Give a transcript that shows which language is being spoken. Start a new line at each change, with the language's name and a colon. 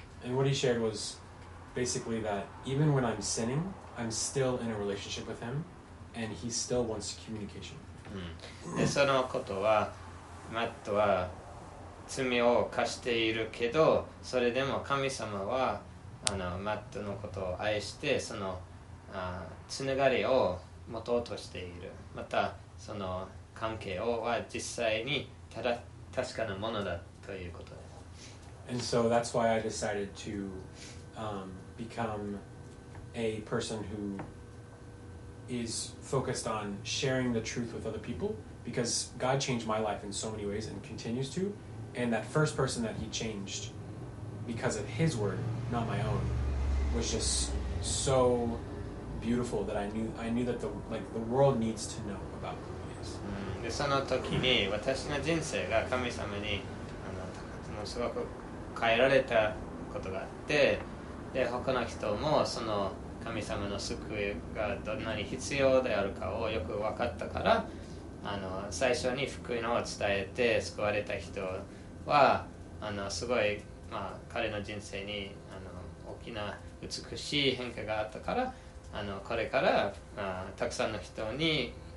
English: And what he shared was basically that even when I'm sinning. I'm still in a relationship with him, and he still wants communication.
Japanese: で、そのことは、マットは罪を犯しているけど、それでも神様はマットのことを愛して、そのつながりを持とうとしている。また、その関係をは実際に確かなものだということです。
English: And so that's why I decided to become... A person who is focused on sharing the truth with other people because God changed my life in so many ways and continues to. And that first person that He changed because of His word, not my own, was just so beautiful that I knew that the world needs to know about who He is.
Japanese: で、その時に私の人生が神様にすごく変えられたことがあって、で、他の人もその神様の救いがどんなに必要であるかをよく分かったから最初に福音を伝えて救われた人はすごい、彼の人生に大きな美しい変化があったからこれから、たくさんの人に